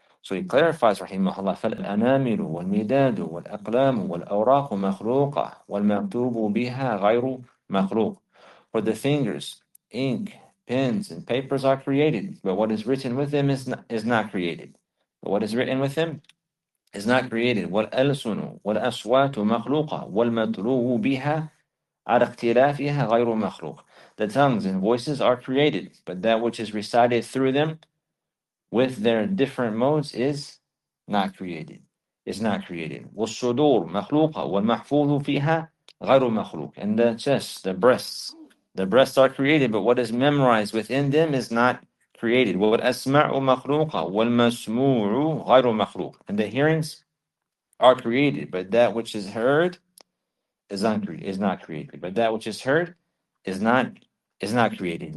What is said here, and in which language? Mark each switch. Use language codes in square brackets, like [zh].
[en] So he clarifies, [ar] rahimahullah, فَالْأَنَامِلُ وَالْمِدَادُ وَالْأَقْلَامُ وَالْأَوْرَاقُ مَخْلُوقَ وَالْمَكْتُوبُ بِهَا غَيْرُ مَخْلُوقَ. [en] For the fingers, ink, pens, and papers are created, but what is written with them is not created. What is written with him is not created. [ar] والألسن والأصوات مخلوقة والمتلوه بها على اختلافها غير مخلوق. [en] The tongues and voices are created, but that which is recited through them with their different modes is not created. Is not created. [ar] والصدور مخلوقة والمحفوظ فيها غير مخلوق. [en] And the chest, the breasts are created, but what is memorized within them is not created. [ar] وَالْأَسْمَعُ مَخْلُوقَ وَالْمَسْمُوعُ غَيْرُ مَخْلُوقٍ. [en] And the hearings are created, but that which is heard is not created. But that which is heard is not is not created.